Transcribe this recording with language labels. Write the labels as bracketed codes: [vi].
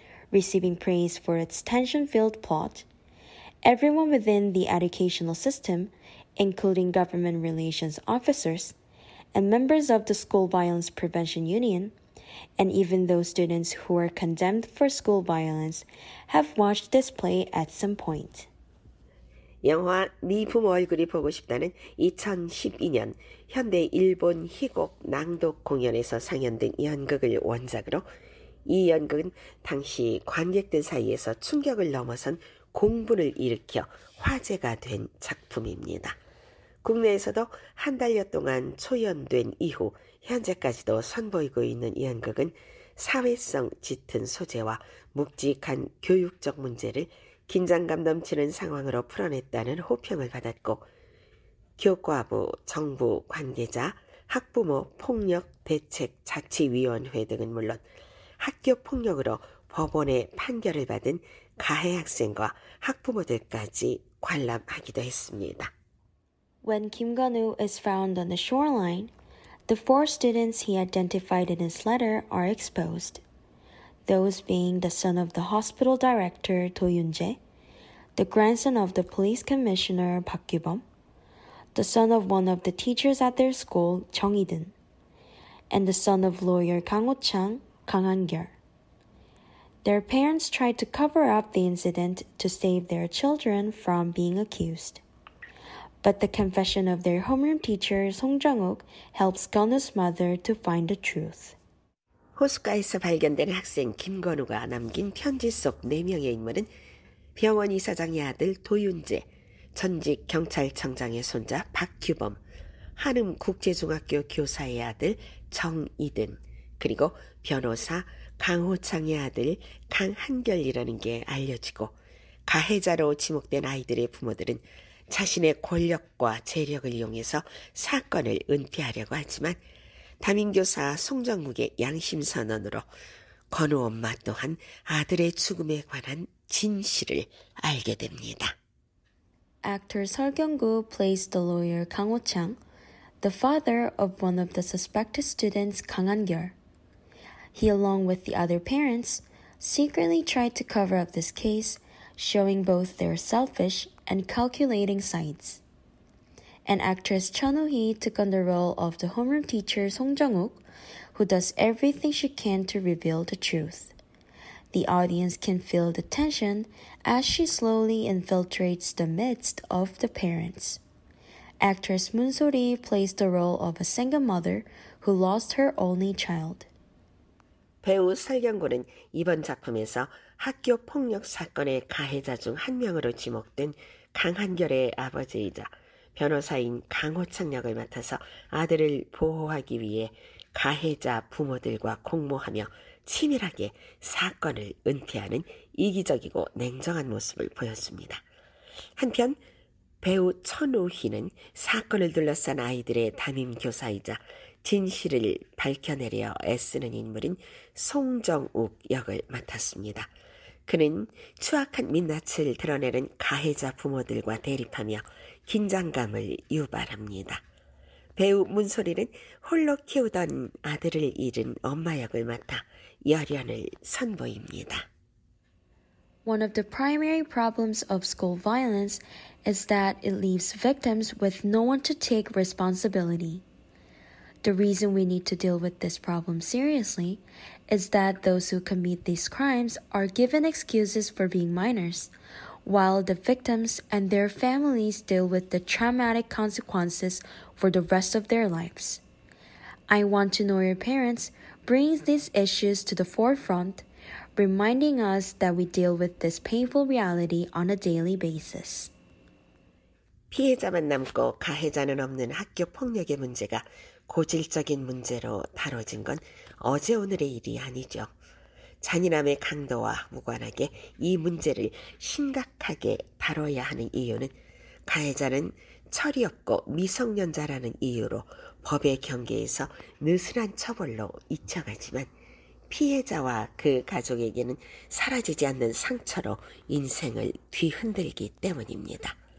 [en] Receiving praise for its tension-filled plot, everyone within the educational system, including government relations officers and members of the School Violence Prevention Union, and even those students who were condemned for school violence, have watched this play at some point. [ko] 영화 네 부모 얼굴이 보고 싶다는 2012년 현대 일본 희곡 낭독 공연에서 상연된 연극을 원작으로 이 연극은 당시 관객들 사이에서 충격을 넘어선 공분을 일으켜 화제가 된 작품입니다. 국내에서도 한 달여 동안 초연된 이후 현재까지도 선보이고 있는 이 연극은 사회성 짙은 소재와 묵직한 교육적 문제를 긴장감 넘치는 상황으로 풀어냈다는 호평을 받았고 교과부, 정부 관계자, 학부모 폭력 대책 자치위원회 등은 물론 학교 폭력으로 법원의 판결을 받은 가해 학생과 학부모들까지 관람하기도 했습니다. [en] When Kim Gun-woo is found on the shoreline, the four students he identified in his letter are exposed. Those being the son of the hospital director, Do Yun-jae, the grandson of the police commissioner, Park Kyu-bom, the son of one of the teachers at their school, Jung I-deun, and the son of lawyer Kang Ho-chang, Kang Han-gyeol. Their parents tried to cover up the incident to save their children from being accused. But the confession of their homeroom teacher, Song Jung-wook, helps Gun-woo's mother to find the truth. [ko] 호숫가에서 발견된 학생 김건우가 남긴 편지 속 4명의 인물은 병원 이사장의 아들 도윤재, 전직 경찰청장의 손자 박규범, 한음 국제중학교 교사의 아들 정이든, 그리고 변호사 강호창의 아들 강한결이라는 게 알려지고 가해자로 지목된 아이들의 부모들은 자신의 권력과 재력을 이용해서 사건을 은폐하려고 하지만 담임교사 송정국의 양심선언으로 건우 엄마 또한 아들의 죽음에 관한 진실을 알게 됩니다. [en] Actor 설경구 plays the lawyer 강호창, the father of one of the suspected students 강한결. He along with the other parents secretly tried to cover up this case, showing both their selfish and calculating sides. And actress Chun Woo-hee took on the role of the homeroom teacher Song Jung-wook, who does everything she can to reveal the truth. The audience can feel the tension as she slowly infiltrates the midst of the parents. Actress Moon So-ri plays the role of a single mother who lost her only child. [ko] 배우 설경구는 이번 작품에서 학교 폭력 사건의 가해자 중 한 명으로 지목된 강한결의 아버지이자 변호사인 강호창 역을 맡아서 아들을 보호하기 위해 가해자 부모들과 공모하며 치밀하게 사건을 은폐하는 이기적이고 냉정한 모습을 보였습니다. 한편 배우 천우희는 사건을 둘러싼 아이들의 담임교사이자 진실을 밝혀내려 애쓰는 인물인 송정욱 역을 맡았습니다. 그는 추악한 민낯을 드러내는 가해자 부모들과 대립하며 긴장감을 유발합니다. 배우 문소리는 홀로 키우던 아들을 잃은 엄마 역을 맡아 열연을 선보입니다. [en] One of the primary problems of school violence is that it leaves victims with no one to take responsibility. The reason we need to deal with this problem seriously is that those who commit these crimes are given excuses for being minors, while the victims and their families deal with the traumatic consequences for the rest of their lives. I Want to Know Your Parents brings these issues to the forefront, reminding us that we deal with this painful reality on a daily basis. [ko] 피해자만 남고 가해자는 없는 학교 폭력의 문제가 고질적인 문제로 다뤄진 건 어제 오늘의 일이 아니죠. 잔인함의 강도와 무관하게 이 문제를 심각하게 다뤄야 하는 이유는 가해자는 철이 없고 미성년자라는 이유로 법의 경계에서 느슨한 처벌로 잊혀가지만 피해자와 그 가족에게는 사라지지 않는 상처로 인생을 뒤흔들기 때문입니다.